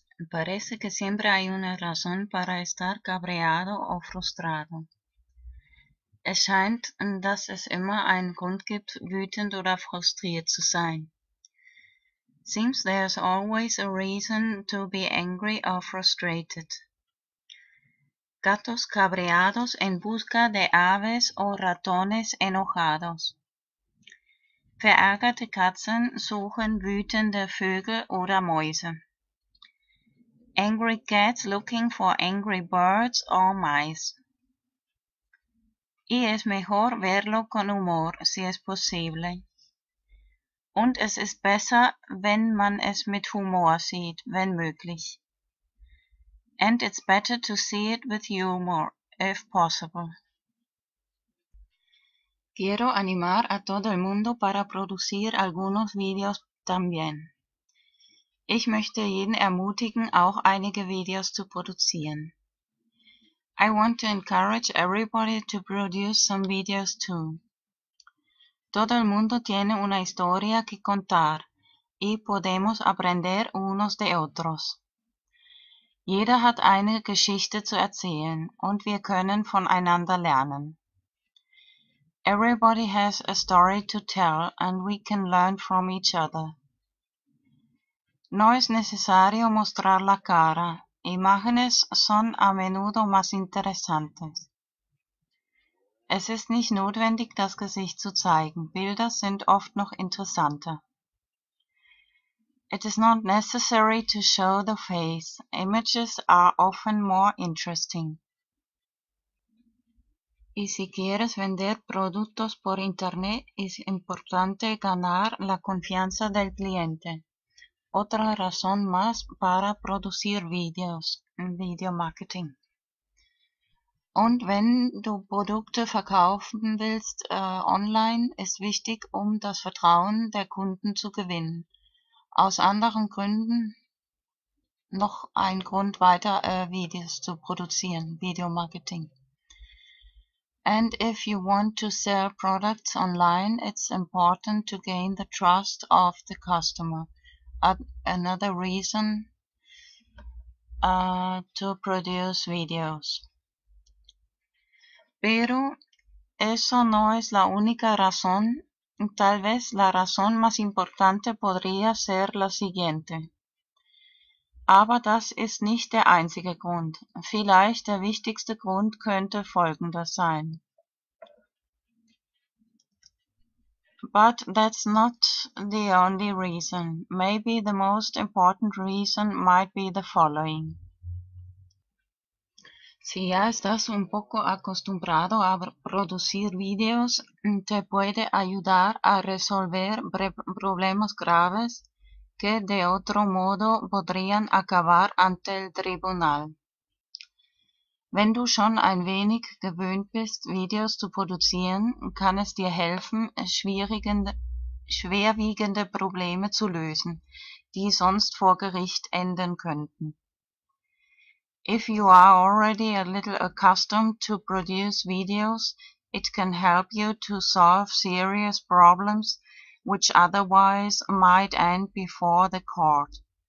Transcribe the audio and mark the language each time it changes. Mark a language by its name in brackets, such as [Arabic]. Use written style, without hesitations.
[Spanish] Parece que siempre hay una razón para estar cabreado o frustrado. [German] Es scheint, dass es immer einen Grund gibt, wütend oder frustriert zu sein. [English] Seems there's always a reason to be angry or frustrated. [Spanish] Gatos cabreados en busca de aves o ratones enojados. [German] Verärgerte Katzen suchen wütende Vögel oder Mäuse. [English] Angry cats looking for angry birds or mice. [Spanish] Y es mejor verlo con humor, si es posible. [German] Und es ist besser, wenn man es mit Humor sieht, wenn möglich. [English] And it's better to see it with humor, if possible. [Spanish] Quiero animar a todo el mundo para producir algunos videos también. [German] Ich möchte jeden ermutigen, auch einige Videos zu produzieren. [English] I want to encourage everybody to produce some videos too. [Spanish] Todo el mundo tiene una historia que contar y podemos aprender unos de otros. [German] Jeder hat eine Geschichte zu erzählen und wir können voneinander lernen. [English] Everybody has a story to tell and we can learn from each other. [Spanish] No es necesario mostrar la cara. Imágenes son a menudo más interesantes. [German] Es ist nicht notwendig, das Gesicht zu zeigen. Bilder sind oft noch interessanter. [English] It is not necessary to show the face. Images are often more interesting. [Spanish] Y si quieres vender productos por internet, es importante ganar la confianza del cliente. Otra razón más para producir videos, video marketing. [German] Und wenn du Produkte verkaufen willst, online, ist wichtig, um das Vertrauen der Kunden zu gewinnen. Aus anderen Gründen noch ein Grund weiter, Videos zu produzieren, Video Marketing. [English] And if you want to sell products online, it's important to gain the trust of the customer. Another reason to produce videos. [Spanish] Pero eso no es la única razón. Tal vez la razón más importante podría ser la siguiente. [German] Aber das ist nicht der einzige Grund. Vielleicht der wichtigste Grund könnte folgender sein. [English] But that's not the only reason. Maybe the most important reason might be the following. [Spanish] Si ya estás un poco acostumbrado a producir videos, te puede ayudar a resolver problemas graves que de otro modo podrían acabar ante el tribunal. [German] Wenn du schon ein wenig gewöhnt bist, Videos zu produzieren, kann es dir helfen, schwerwiegende Probleme zu lösen, die sonst vor Gericht enden könnten. [English] If you are already a little accustomed to produce videos, it can help you to solve serious problems, which otherwise might end before the court.